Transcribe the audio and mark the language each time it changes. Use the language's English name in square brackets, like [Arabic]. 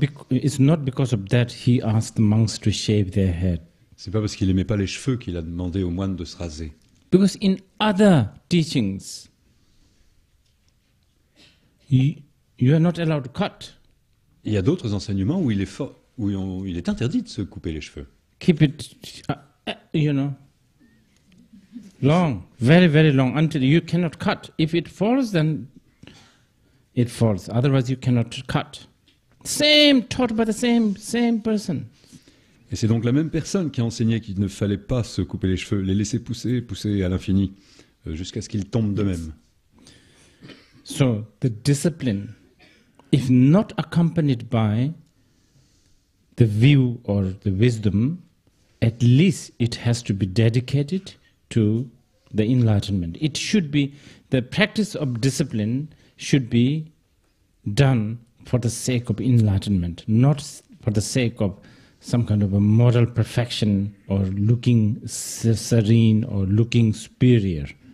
[English] It's not because of that he asked the monks to shave their head. [French] C'est pas parce qu'il aimait pas les cheveux qu'il a demandé aux moines de se raser. [English] Because in other teachings, you are not allowed to cut. [French] Il y a d'autres enseignements où il est interdit de se couper les cheveux. [English] Keep it, you know, long, very very long until you cannot cut. If it falls, then it falls. Otherwise, you cannot cut. Same taught by the same person. [French] Et c'est donc la même personne qui a enseigné qu'il ne fallait pas se couper les cheveux, les laisser pousser à l'infini, jusqu'à ce qu'ils tombent d'eux-mêmes. [English] So the discipline, if not accompanied by the view or the wisdom, at least it has to be dedicated to the enlightenment. It should be, the practice of discipline should be done for the sake of enlightenment, not for the sake of some kind of a moral perfection or looking serene or looking superior.